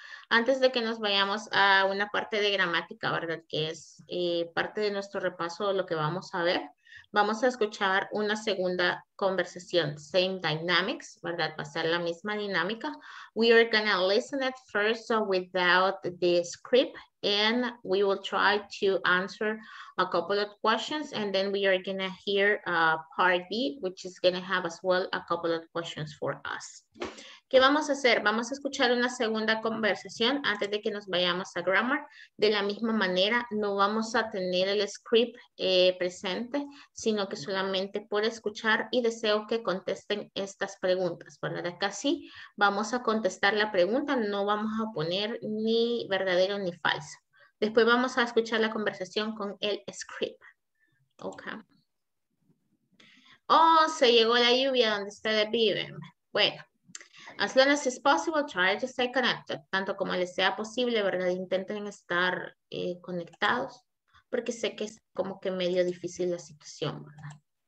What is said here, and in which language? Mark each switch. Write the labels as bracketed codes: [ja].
[es] Antes de que nos vayamos a una parte de gramática, ¿verdad? Que es parte de nuestro repaso, lo que vamos a ver. Vamos a escuchar una segunda conversación, [en] same dynamics, [es] ¿verdad? Va a ser la misma dinámica. [en] We are going to listen it first, so without the script, and we will try to answer a couple of questions, and then we are going to hear part B, which is going to have as well a couple of questions for us. [es] ¿Qué vamos a hacer? Vamos a escuchar una segunda conversación antes de que nos vayamos a grammar. De la misma manera, no vamos a tener el script presente, sino que solamente por escuchar, y deseo que contesten estas preguntas. Bueno, de acá sí, vamos a contestar la pregunta, no vamos a poner ni verdadero ni falso. Después vamos a escuchar la conversación con el script. Ok. Oh, se llegó la lluvia donde ustedes viven. Bueno. [en] As long as it's possible, try to stay connected. [es] Tanto como les sea posible, ¿verdad? Intenten estar conectados, porque sé que es como que medio difícil la situación, ¿verdad?